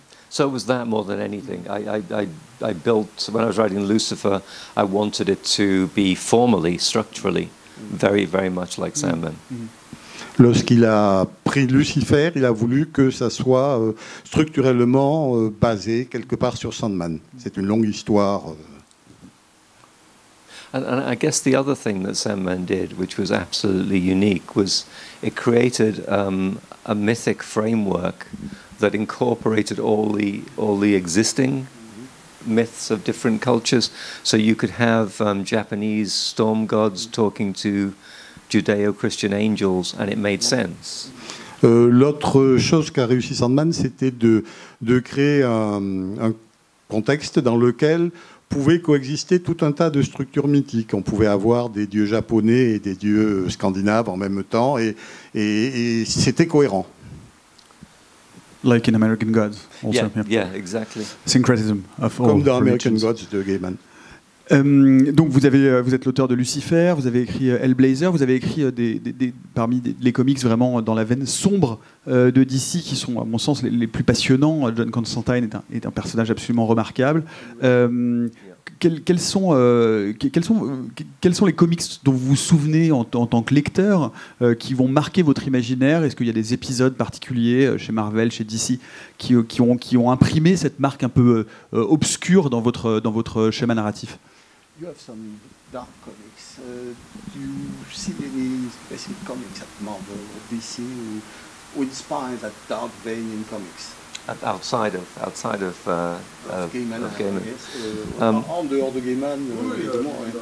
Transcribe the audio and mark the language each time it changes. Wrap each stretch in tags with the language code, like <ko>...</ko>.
<en>So it was that more than anything. I built, when I was writing Lucifer, I wanted it to be formally, structurally, very, very much like Sandman.</en> <fr>Lorsqu'il a pris Lucifer, il a voulu que ça soit structurellement basé quelque part sur Sandman. C'est une longue histoire.</fr> <en>And I guess the other thing that Sandman did, which was absolutely unique, was it created a mythic framework that incorporated all the existing myths of different cultures. So you could have Japanese storm gods talking to Judeo-Christian angels, and it made sense.</en> <fr>L'autre chose qu'a réussi Sandman, c'était de créer un contexte dans lequel pouvait coexister tout un tas de structures mythiques. On pouvait avoir des dieux japonais et des dieux scandinaves en même temps, et c'était cohérent.</fr> <en>Like in American Gods, also. Yeah, exactly. Syncretism of all.</en> <fr>Comme dans American Gods de Gaiman. Donc vous êtes l'auteur de Lucifer, vous avez écrit Hellblazer, vous avez écrit les comics vraiment dans la veine sombre de DC, qui sont à mon sens les plus passionnants. John Constantine est un personnage absolument remarquable. Quels sont les comics dont vous vous souvenez en tant que lecteur qui vont marquer votre imaginaire? Est-ce qu'il y a des épisodes particuliers chez Marvel, chez DC, qui ont imprimé cette marque un peu obscure dans votre schéma narratif?</fr> <en>You have some dark comics. Do you see any specific comics at Marvel or DC who inspire that dark vein in comics? Outside of Gaiman.</en> <fr>En dehors de Gaiman, évidemment.</fr>